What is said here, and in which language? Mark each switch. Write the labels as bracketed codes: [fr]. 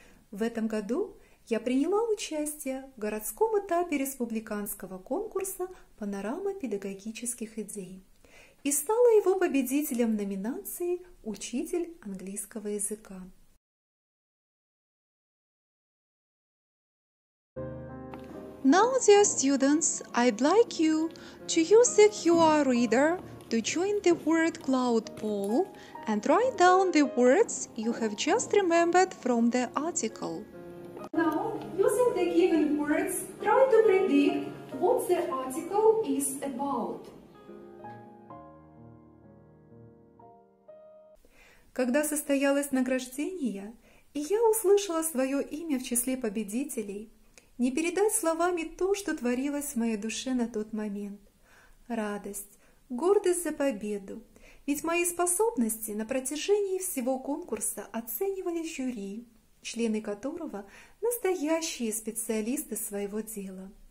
[ru] В этом году я приняла участие в городском этапе республиканского конкурса «Панорама педагогических идей» и стала его победителем номинации «Учитель английского языка». [en] Now, dear students, I'd like you to use the QR reader to join the word cloud pool and write down the words you have just remembered from the article. Now, using the given words, try to predict what the article is about. [ru] Когда состоялось награждение, и я услышала свое имя в числе победителей, не передать словами то, что творилось в моей душе на тот момент. Радость, гордость за победу. Ведь мои способности на протяжении всего конкурса оценивали жюри, члены которого – настоящие специалисты своего дела.